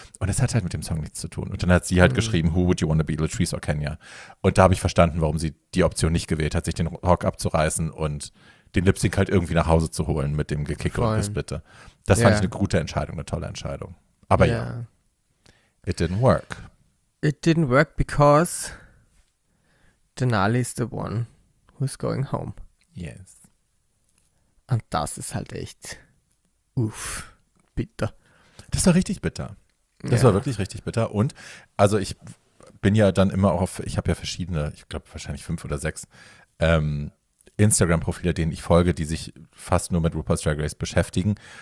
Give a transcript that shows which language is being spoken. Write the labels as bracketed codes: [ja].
[de] Und es hat halt mit dem Song nichts zu tun. Und dann hat sie halt geschrieben, [en] who would you want to be, Latrice or Kenya? [de] Und da habe ich verstanden, warum sie die Option nicht gewählt hat, sich den Rock abzureißen und den Lip-Sync halt irgendwie nach Hause zu holen mit dem Gekicke und Gespitte. Das fand ich eine gute Entscheidung, eine tolle Entscheidung. [en] Aber it didn't work. It didn't work because Denali is the one who's going home. Yes. [de] Und das ist halt echt bitter. Das war richtig bitter. Das war wirklich richtig bitter. Und also ich bin ja dann immer auch auf, ich habe ja verschiedene, ich glaube wahrscheinlich 5 oder 6 Instagram-Profile, denen ich folge, die sich fast nur mit RuPaul's Drag Race beschäftigen.